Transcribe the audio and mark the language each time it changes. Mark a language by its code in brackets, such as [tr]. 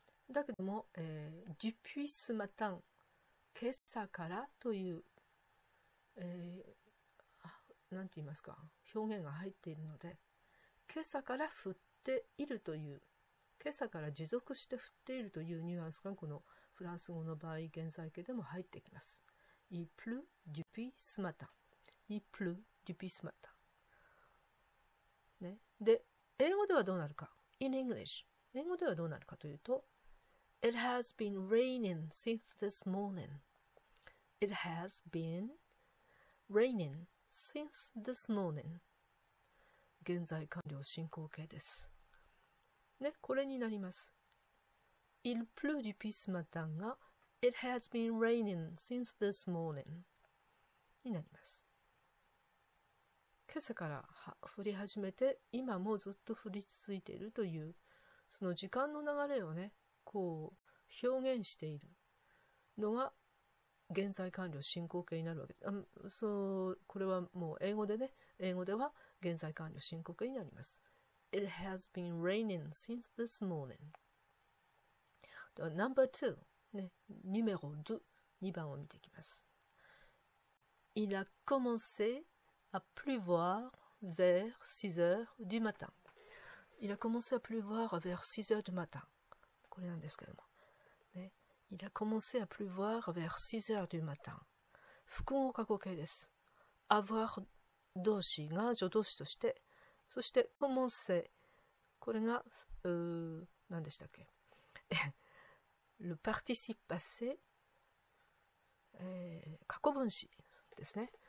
[ja] だけども、 [fr] depuis ce matin、 [ja] 今朝からという、なんて言いますか、表現が入っているので、今朝から降っているという、今朝から持続して降っているというニュアンスが、このフランス語の場合、現在形でも入ってきます。 [fr] Il pleut depuis ce matin。 Il pleut depuis ce matin。 ね。 [ja] で、英語ではどうなるか。 [en] In English。 [ja] 英語ではどうなるかというと、 [en] It has been raining since this morning. It has been raining since this morning. [ja] 現在完了進行形です。ね、これになります。 [fr] Il pleut depuis ce matin [en] が It has been raining since this morning になります。 [ja] 今朝から降り始めて、今もずっと降り続いているという、その時間の流れをね、こう、表現しているのが現在完了進行形になるわけです。そう、これはもう英語でね、英語では現在完了進行形になります。 [en] It has been raining since this morning. [ja] では、number two、ね、numéro deux、2番を見ていきます。 [fr] Il a commencé à pleuvoir vers 6h du matin. Il a commencé à pleuvoir vers 6h du matin. [ja] これなんですけども。 [fr] Il a commencé à pleuvoir vers 6h du matin. [ja] 複合過去形です。 avoir 動詞が助動詞として、そして commencé、これが、何でしたっけ？ [fr] le participe passé、 [ja] 過去分詞ですね。